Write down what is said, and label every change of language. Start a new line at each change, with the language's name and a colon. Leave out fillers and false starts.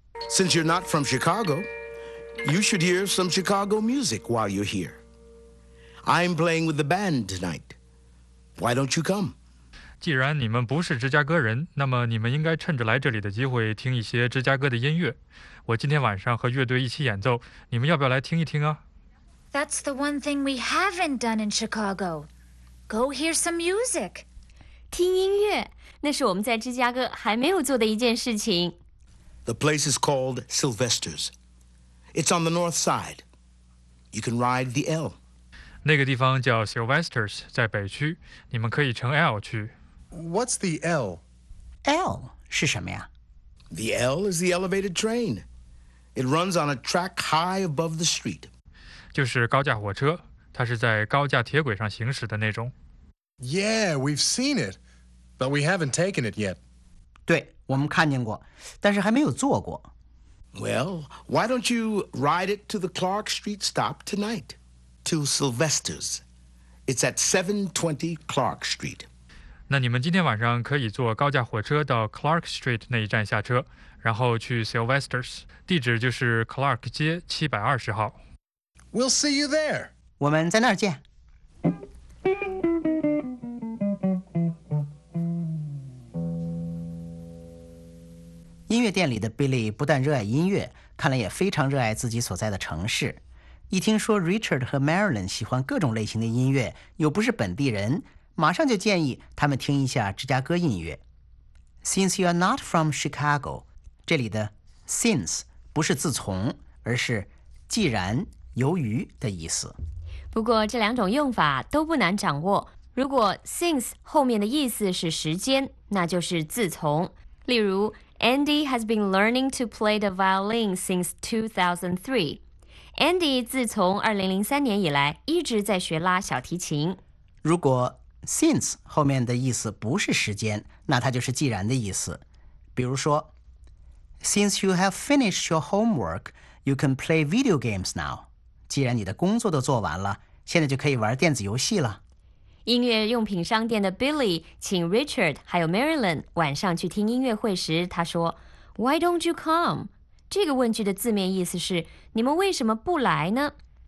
English: Since you're not from Chicago, you should hear some Chicago music while you're here. I'm playing with the band tonight. Why don't you come?
Chinese: 既然你们不是芝加哥人，那么你们应该趁着来这里的机会听一些芝加哥的音乐。我今天晚上和乐队一起演奏，你们要不要来听一听啊？
English: That's the one thing we haven't done in Chicago. Go hear some music.
Chinese: 听音乐，那是我们在芝加哥还没有做的一件事情。
English: The place is called Sylvester's. It's on the north side. You can ride the L.
Chinese: 那个地方叫 Sylvester's， 在北区，你们可以乘 L 去。
English: What's the L?
Chinese: L 是什么呀？
English: The L is the elevated train. It runs on a track high above the street.
Chinese: 就是高架火车，它是在高架铁轨上行驶的那种。
English: Yeah, we've seen it, but we haven't taken it yet.
Chinese: 对，我们看见过，但是还没有坐过。
English: Well, why don't you ride it to the Clark Street stop tonight? To Sylvester's. It's at 720 Clark Street.
Chinese: 那你们今天晚上可以坐高架火车到 Clark Street 那一站下车，然后去 Sylvester's， 地址就是 Clark 街720号。
English: We'll see you there.
Chinese: 我们在那儿见。音乐店里的 Billy 不但热爱音乐，看来也非常热爱自己所在的城市。一听说 Richard 和 Marilyn 喜欢各种类型的音乐，又不是本地人，马上就建议他们听一下芝加哥音乐。
English: Since you're not from Chicago，
Chinese: 这里的 since 不是自从，而是既然、由于的意思。不过这两种用法都不难掌握。如果 since 后面的意思是时间，那就是自从。例如
English: ，Andy has been learning to play the violin since 2003。
Chinese: Andy 自从2003年以来一直在学拉小提琴。如果Since 后面的意思不是时间，那它就是既然的意思。比如说
English: ，Since you have finished your homework, you can play video games now.
Chinese: 既然你的工作都做完了，现在就可以玩电子游戏了。音乐用品商店的 Billy 请 Richard 还有 Marilyn 晚上去听音乐会时，他说 ：
English: “Why don't you come？”
Chinese: 这个问句的字面意思是“你们为什么不来呢？”